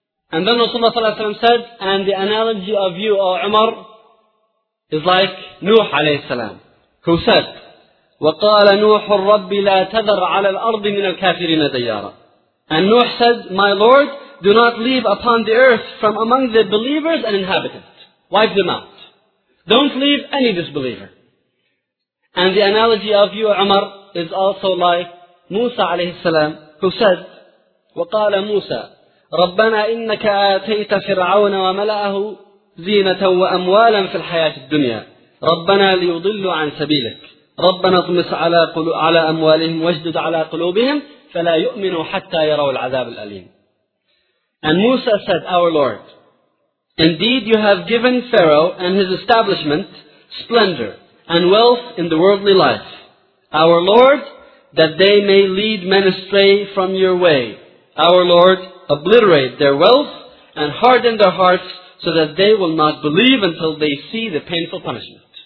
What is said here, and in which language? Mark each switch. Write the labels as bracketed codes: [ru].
[en] And then Rasulullah ﷺ said, and the analogy of you, O Umar, is like Nuh ﷺ, who said, [ar] وَقَالَ نُوحُ الرَّبِّ لَا تَذَرْ عَلَى الْأَرْضِ مِنَ الْكَافِرِينَ دَيَّارًا. [en] And Nuh said, my Lord, do not leave upon the earth from among the believers an inhabitant. Wipe them out. Don't leave any disbeliever. And the analogy of you, Umar, is also like Musa alayhi salam, who said, [ar] وَقَالَ مُوسَى رَبَّنَا إِنَّكَ آتَيْتَ فِرْعَوْنَ وَمَلَأَهُ زِينَةً وَأَمْوَالًا فِي الْحَيَاةِ الدُّنْيَا رَبَّنَا لِيُضِلُّ عَنْ سَبِيلِكَ رَبَّنَا اطْمِسْ عَلَى أَمْوَالِهِمْ وَاجْدُدْ عَلَى قُلُوبِهِمْ فَلَا يُؤْمِنُوا حَتَّى يَرَوْا الْعَذَابَ الْأَلِيمَ. [en] And Musa said, our Lord, indeed you have given Pharaoh and his establishment splendor and wealth in the worldly life. Our Lord, that they may lead men astray from your way. Our Lord, obliterate their wealth and harden their hearts so that they will not believe until they see the painful punishment.